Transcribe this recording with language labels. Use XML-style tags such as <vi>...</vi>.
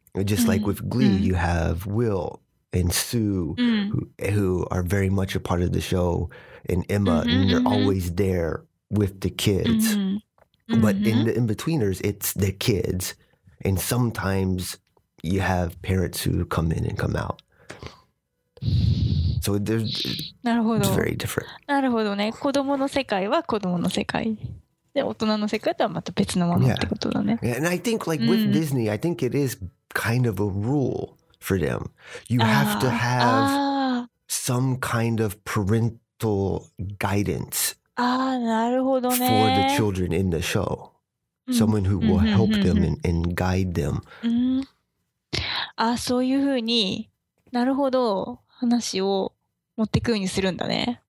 <en>Just like with Glee, you have Will and Sue who are very much a part of the show and Emma, and they're always there with the kids. But in the In-Betweeners, it's the kids. And sometimes you have parents who come in and come out. So it's very different.</en> <ja>なるほどね。子供の世界は子供の世界。で、大人の世界とはまた別のものってことだね。</ja> <en>And I think like with Disney, I think it is kind of a rule for them. You have to have some kind of parental guidance for the children in the show. Someone who will help them and guide them.</en> <ja>そういうふうに、なるほど、話を持っていくようにするんだね。</ja>